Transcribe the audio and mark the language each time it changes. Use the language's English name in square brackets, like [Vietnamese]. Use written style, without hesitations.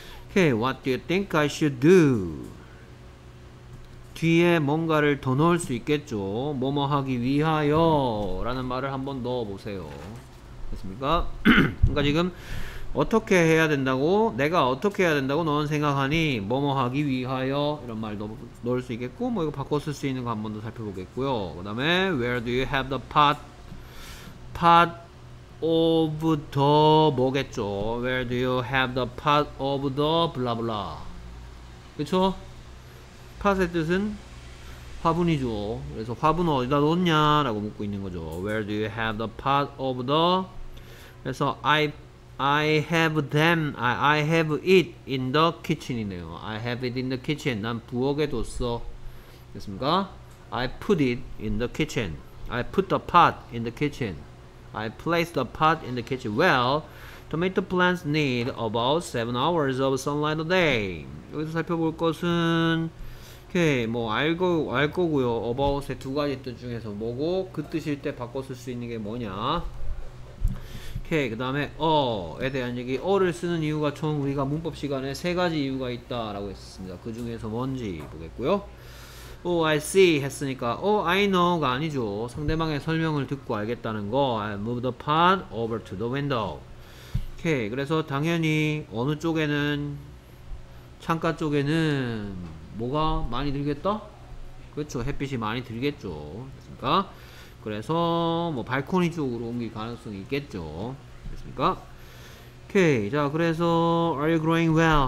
[English] Okay, what do you think I should do? [Korean] 뒤에 뭔가를 더 넣을 수 있겠죠. 뭐뭐 하기 위하여 라는 말을 한번 넣어보세요. 됐습니까? 그러니까 지금 어떻게 해야 된다고? 내가 어떻게 해야 된다고 너는 생각하니 뭐뭐 하기 위하여 이런 말 넣을 수 있겠고 뭐 이거 바꿔 쓸 수 있는 거 한 번 더 살펴보겠고요. 그 다음에 [English] Where do you have the pot? Pot of the [Korean] 뭐겠죠? [English] Where do you have the pot of the blah blah? [Korean] 그쵸? Pot의 뜻은 화분이죠. 그래서 화분을 어디다 뒀냐 라고 묻고 있는 거죠. [English] Where do you have the pot of the [Korean] 그래서 [English] I have them, I have it in the kitchen이네요. I have it in the kitchen. [Korean] 난 부엌에 뒀어. 됐습니까? [English] I put it in the kitchen. I put the pot in the kitchen. I place the pot in the kitchen. Well, tomato plants need about 7 hours of sunlight a day. [Korean] 여기서 살펴볼 것은, 오케이, 뭐 알 거고요. about의 두 가지 뜻 중에서 뭐고, 그 뜻일 때 바꿔 쓸 수 있는 게 뭐냐. 오케이, 그 다음에 어에 대한 얘기. 어를 쓰는 이유가 총 우리가 문법 시간에 세 가지 이유가 있다라고 했습니다. 그 중에서 뭔지 보겠고요. [English] Oh, I see [Korean] 했으니까 [English] I know가 아니죠. [Korean] 상대방의 설명을 듣고 알겠다는 거. [English] I move the pot over to the window. [Korean] 오케이, 그래서 당연히 어느 쪽에는 창가 쪽에는 뭐가 많이 들겠다? 그렇죠. 햇빛이 많이 들겠죠. 됐습니까? 그래서 뭐 발코니 쪽으로 옮길 가능성이 있겠죠. 됐습니까? 오케이. 자, 그래서 [English] Are you growing well?